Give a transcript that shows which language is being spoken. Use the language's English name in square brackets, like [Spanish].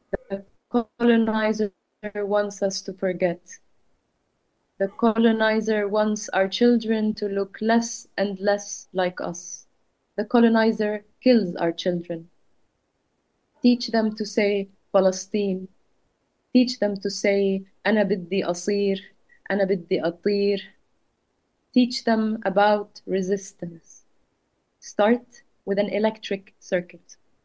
[English] The colonizer wants us to forget. The colonizer wants our children to look less and less like us. The colonizer kills our children. Teach them to say Palestine. Teach them to say [Arabic] أنا بدي أصير, أنا بدي أطير. [English] Teach them about resistance. Start with an electric circuit.